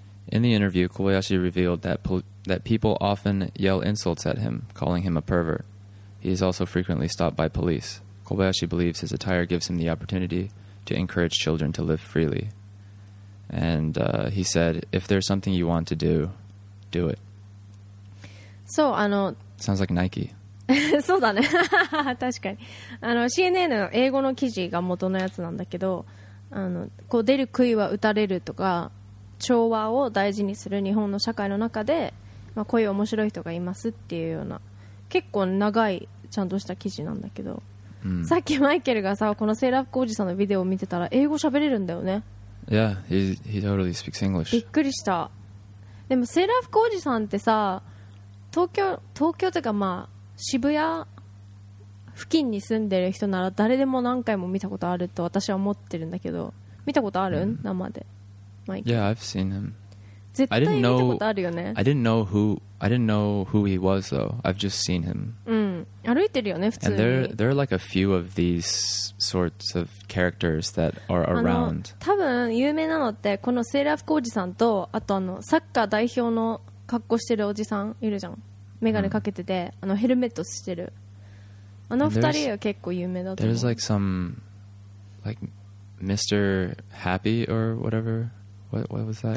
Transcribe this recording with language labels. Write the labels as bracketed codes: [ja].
[en] In the interview, Kobayashi revealed that people often yell insults at him, calling him a pervert. He is also frequently stopped by police. Kobayashi believes his attire gives him the opportunity to encourage children to live freely. And he said, if there's something you want to do, do it. So, Sounds like Nike. [ja] そうだね確かにCNN の英語の記事が元のやつなんだけどこう出る杭は打たれるとか調和を大事にする日本の社会の中で、まあ、こういう面白い人がいますっていうような結構長いちゃんとした記事なんだけど、うん、さっきマイケルがさこのセーラー服おじさんのビデオを見てたら英語喋れるんだよね [en] Yeah, he totally speaks English [ja] びっくりしたでもセーラー服おじさんってさ東京というかまあ渋谷付近に住んでる人なら誰でも何回も見たことあると私は思ってるんだけど見たことある、mm-hmm. 生でマイケル [en] Yeah, I've seen him [ja] 絶対見たことあるよね [en] I didn't know who he was though I've just seen him [ja] うん歩いてるよね普通に [en] And there are like a few of these sorts of characters that are around [ja] 多分有名なのってこのセーラー服おじさんとあとサッカー代表の格好してるおじさんいるじゃんメガネかけてて、うん、ヘルメットしてる。二人は結構有名だと思う。 [en] There's like some like Mr. Happy or whatever. What was that?